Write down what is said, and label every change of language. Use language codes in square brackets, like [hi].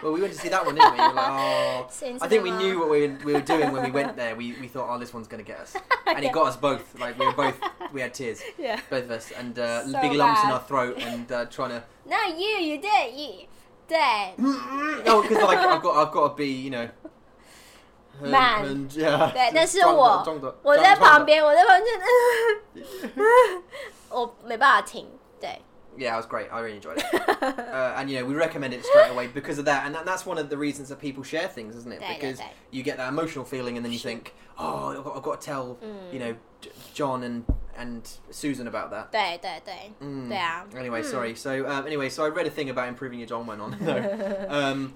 [en] Well， we went to see that one， didn't we？ I think we knew what we were doing when we went there. We thought, oh， this one's gonna get us， and it got us both. Like we had tears， yeah， both of us， and so big lumps in our throat and trying to。 No， you did， you did。 No， because like I've got to be， you know。 Man， and, yeah， [zh] 对，但是我撞的我在旁边，我在旁边，我没办法停。 [en] Yeah, it was great. I really enjoyed it. And, you know, we recommend it straight away because of that. And that's one of the reasons that people share things, isn't it? Because you get that emotional feeling and then you think, oh, I've got to tell, you know, John and Susan about that. [zh] 对对对。对啊。 [en] Anyway, sorry. So, anyway, so I read a thing about improving your John went on.